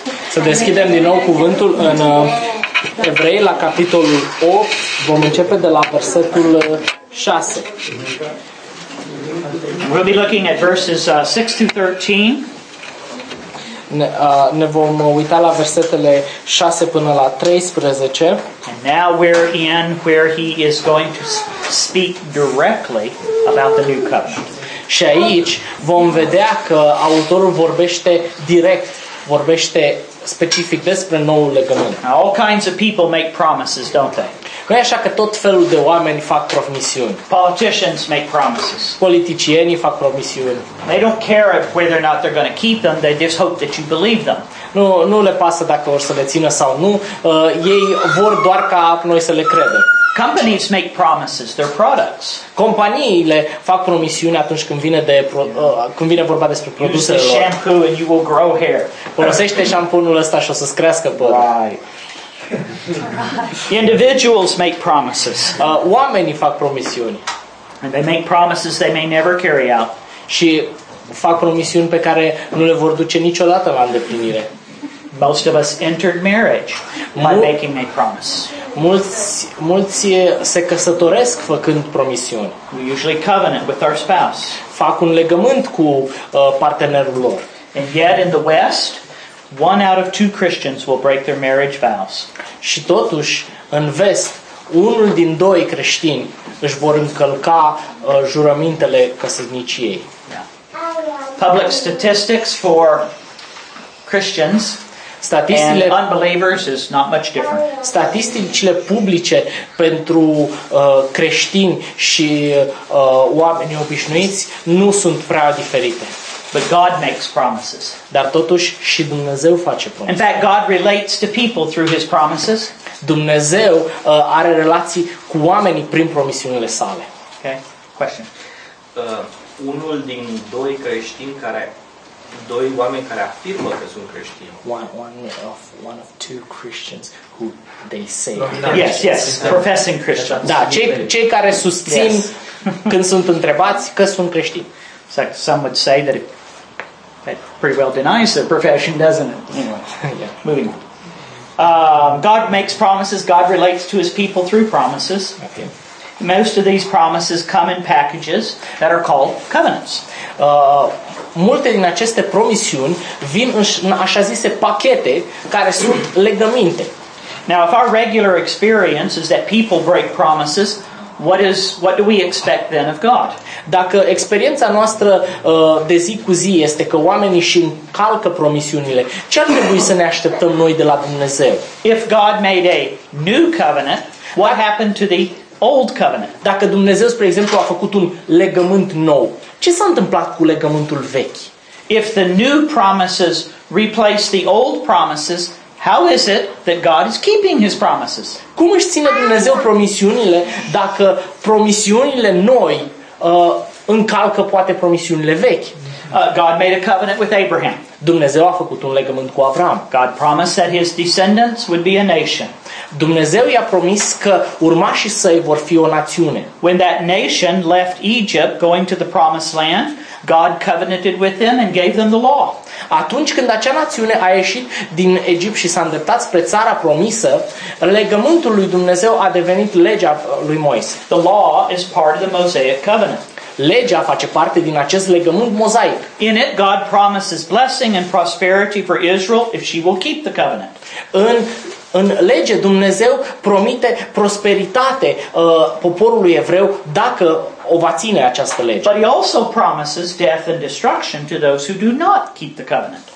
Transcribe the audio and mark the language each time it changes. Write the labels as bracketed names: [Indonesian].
[Romanian] Să deschidem din nou cuvântul în Evrei la capitolul 8. Vom începe de la versetul 6. [English] We'll be looking at verses 6 to 13. [Romanian] Ne vom uita la versetele 6 până la 13. [English] And now we're in where he is going to speak directly about the new covenant. [Romanian] Și aici vom vedea că autorul vorbește direct, vorbește specific despre noul legământ. [English] Now, all kinds of people make promises, don't they? [Romanian] Nu e așa că tot felul de oameni fac promisiuni. [English] Politicians make promises. [Romanian] Politicienii fac promisiuni. [English] They don't care whether or not they're going to keep them, they just hope that you believe them. [Romanian] Nu le pasă dacă o să le țină sau nu, ei vor doar ca noi să le credem. [English] Companies make promises, their products. [Romanian] Companiile fac promisiuni atunci când vine de când vine vorba despre produsele lor. [English] Use the shampoo and you will grow hair. [Romanian] Folosește șampunul ăsta și o să-ți crească părul. [English] Right. Individuals make promises. [Romanian] Oamenii fac promisiuni. [English] And they make promises they may never carry out. [Romanian] Și fac promisiuni pe care nu le vor duce niciodată la îndeplinire. [English] Most of us entered marriage by making a promise. [Romanian] Mulți se căsătoresc făcând promisiuni. [English] We usually covenant with our spouse. [Romanian] Fac un legământ cu partenerul lor. [English] And yet in the West, one out of two Christians will break their marriage vows. [Romanian] Și totuși, în vest, unul din doi creștini își vor încălca jurămintele căsătniciei. [English] Public statistics for Christians. [Romanian] Statisticile [English] and unbelievers is not much different. [Romanian] Statisticile publice pentru creștini și oamenii obișnuiți nu sunt prea diferite. [English] But God makes promises. [Romanian] Dar totuși și Dumnezeu face promisiuni. [English] In fact, God relates to people through his promises. [Romanian] Dumnezeu are relații cu oamenii prin promisiunile sale. [English] Okay? Question. [Romanian] Unul din doi creștini care doi oameni care afirmă că sunt creștini. [English] One of two Christians who they say. Yes, professing Christians. [Romanian] Da, cei care susțin când sunt întrebați că sunt creștini. [English] So some would say that it pretty well denies their profession, doesn't it? Yeah. Moving on. God makes promises. God relates to his people through promises. Okay. Most of these promises come in packages that are called covenants. [Romanian] Multe din aceste promisiuni vin în așa zise pachete care sunt legăminte. [English] Now, if our regular experience is that people break promises, what do we expect then of God? [Romanian] Dacă experiența noastră de zi cu zi este că oamenii își încalcă promisiunile, ce ar trebui să ne așteptăm noi de la Dumnezeu? [English] If God made a new covenant, what happened to the old covenant? [Romanian] Dacă Dumnezeu, spre exemplu, a făcut un legământ nou, ce s-a întâmplat cu legământul vechi? [English] If the new promises replace the old promises, how is it that God is keeping his promises? [Romanian] Cum își ține Dumnezeu promisiunile dacă promisiunile noi încalcă poate promisiunile vechi? [English] God made a covenant with Abraham. [Romanian] Dumnezeu a făcut un legământ cu Avram. [English] God promised that his descendants would be a nation. [Romanian] Dumnezeu i-a promis că urmașii săi vor fi o națiune. [English] When that nation left Egypt going to the promised land, God covenanted with them and gave them the law. [Romanian] Atunci când acea națiune a ieșit din Egipt și s-a îndreptat spre țara promisă, legământul lui Dumnezeu a devenit legea lui Moise. [English] The law is part of the Mosaic covenant. [Romanian] Legea face parte din acest legământ mozaic. [English] In it, God promises blessing and prosperity for Israel if she will keep the covenant. [Romanian] În lege, Dumnezeu promite prosperitate poporului evreu dacă o va ține această lege. [English] But he also promises death and destruction to those who do not keep the covenant.